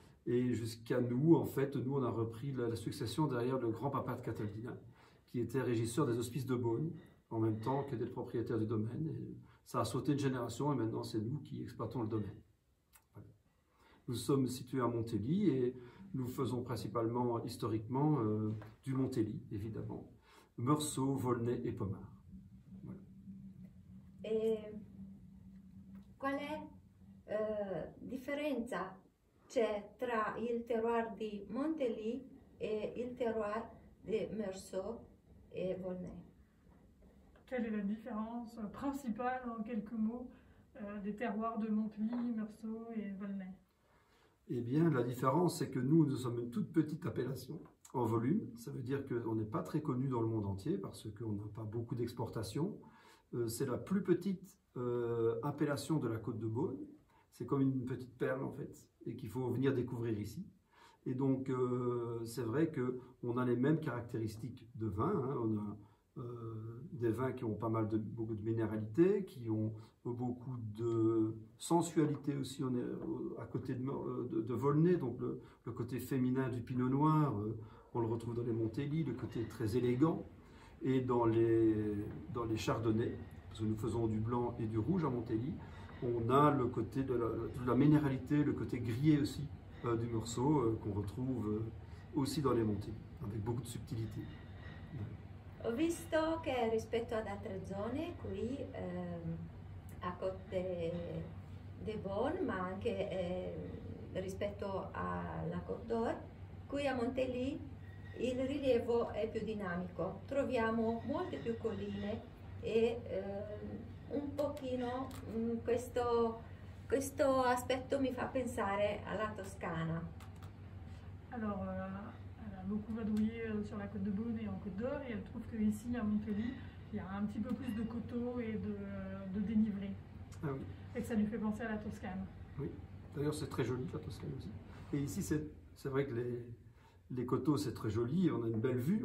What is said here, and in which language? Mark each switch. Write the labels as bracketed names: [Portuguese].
[French] Et jusqu'à nous, en fait, nous on a repris la succession derrière le grand-papa de Cataldina, qui était régisseur des hospices de Beaune, en même temps que d'être propriétaire du domaine. Et ça a sauté une génération et maintenant c'est nous qui exploitons le domaine. Nous sommes situés à Montélie et nous faisons principalement, historiquement, du Montélie, évidemment, Meursault, Volnay et Pommard. [Italian] E qual è differenza c'è tra il terroir di Montélie e il terroir di Meursault e Volnay? [French] Quelle est la différence principale en quelques mots des terroirs de Montélie, Meursault et Volnay? Eh bien, la différence, c'est que nous sommes une toute petite appellation en volume. Ça veut dire qu'on n'est pas très connu dans le monde entier parce qu'on n'a pas beaucoup d'exportations. C'est la plus petite appellation de la Côte de Beaune. C'est comme une petite perle, en fait, et qu'il faut venir découvrir ici. Et donc, c'est vrai qu'on a les mêmes caractéristiques de vin, hein. On a des vins qui ont pas mal de beaucoup de minéralité, qui ont beaucoup de sensualité aussi. On est à côté de Volnay, donc le côté féminin du Pinot Noir, on le retrouve dans les Montélis, le côté très élégant, et dans les Chardonnays, parce que nous faisons du blanc et du rouge à Montélis, on a le côté de la minéralité, le côté grillé aussi du Meursault, qu'on retrouve aussi dans les Montélis, avec beaucoup de subtilité. [Italian] Ho visto che rispetto ad altre zone qui a Côte des Bons, ma anche rispetto alla Côte d'Or, qui a Montélie il rilievo è più dinamico. Troviamo molte più colline e un pochino questo aspetto mi fa pensare alla Toscana. [French] Alors, elle a beaucoup vadrouillé sur la côte de Beaune et en Côte d'Or, et elle trouve qu'ici, à Montélie, il y a un petit peu plus de coteaux et de dénivelé. Ah oui. Et que ça lui fait penser à la Toscane. Oui. D'ailleurs, c'est très joli, la Toscane aussi. Et ici, c'est vrai que les coteaux, c'est très joli. On a une belle vue.